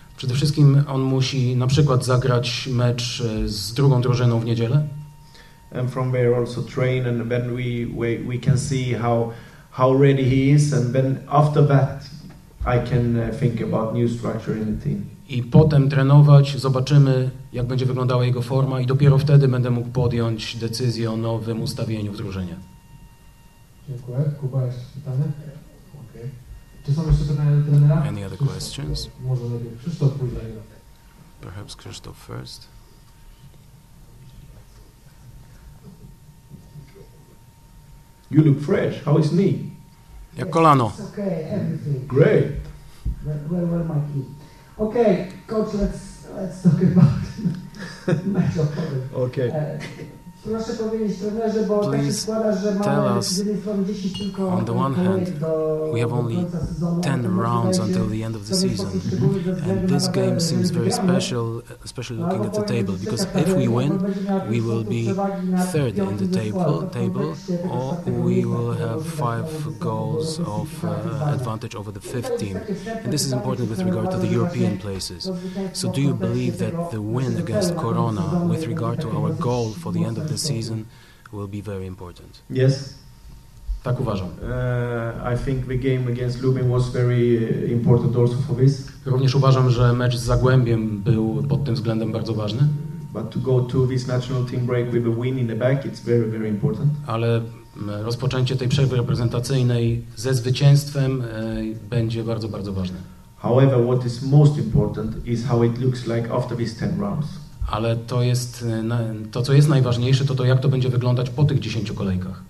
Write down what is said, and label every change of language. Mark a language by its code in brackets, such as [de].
[pl] Przede wszystkim on musi na przykład zagrać mecz z drugą drużyną w niedzielę. [en] And from there also train, and then we can see how ready he is, and then after that I can think about new structure in the team. [pl] I potem trenować, zobaczymy jak będzie wyglądała jego forma i dopiero wtedy będę mógł podjąć decyzję o nowym ustawieniu w drużynie. Dziękuję. Kuba, jeszcze pytanie? Czy są jeszcze pytania do trenera? [en] Any other questions? [pl] Może lepiej Krzysztof pójdzie. [en] Perhaps Krzysztof first. You look fresh. How is knee? [pl] Jak kolano. [en] It's okay, everything. Great. Where my key? Okay, coach, let's talk about match of Poland. Okay. [pl] Proszę powiedzieć trenerze, bo [en] please [pl] tak się składa, że mamy 10 tylko [en] on the one hand, we have only 10 rounds until the end of the season, and this game seems very special, especially looking at the table, because if we win, we will be third in the table, or we will have 5 goals of advantage over the fifth team. And this is important with regard to the European places. So do you believe that the win against Corona, with regard to our goal for the end of the season, will be very important? Yes. [pl] Tak uważam. [en] I think the game against Lubin was very important also for this. [pl] Również uważam, że mecz z Zagłębiem był pod tym względem bardzo ważny. [en] But to go to this national team break with a win in the back, it's very, very important. [pl] Ale rozpoczęcie tej przerwy reprezentacyjnej ze zwycięstwem będzie bardzo, bardzo ważne. [en] However, what is most important is how it looks like after these 10 rounds. [pl] Ale to jest to, co jest najważniejsze, to jak to będzie wyglądać po tych 10 kolejkach.